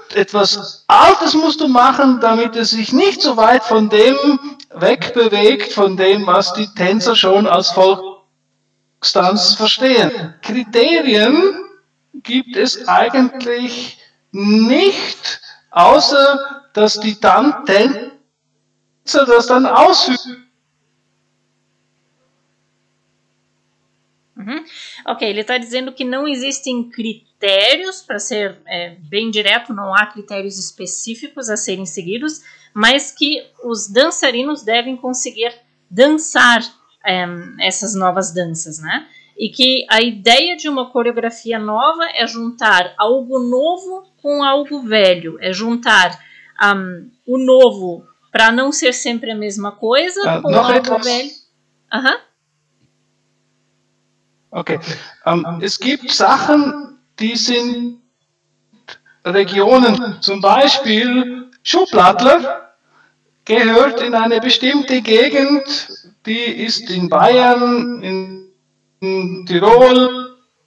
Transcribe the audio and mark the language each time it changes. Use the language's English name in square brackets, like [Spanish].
[German] Etwas Altes musst du machen, damit es sich nicht so weit von dem wegbewegt, von dem, was die Tänzer schon als Volkstanz verstehen. Kriterien gibt es eigentlich nicht, außer dass die Tänzer das dann ausführen. [Portuguese] Ok, ele está dizendo que não existem critérios, para ser bem direto, não há critérios específicos a serem seguidos, mas que os dançarinos devem conseguir dançar essas novas danças, né? E que a ideia de uma coreografia nova é juntar algo novo com algo velho, é juntar o novo para não ser sempre a mesma coisa com algo velho. [German] Okay, es gibt Sachen, die sind Regionen, zum Beispiel Schublattler gehört in eine bestimmte Gegend, die ist in Bayern, in Tirol.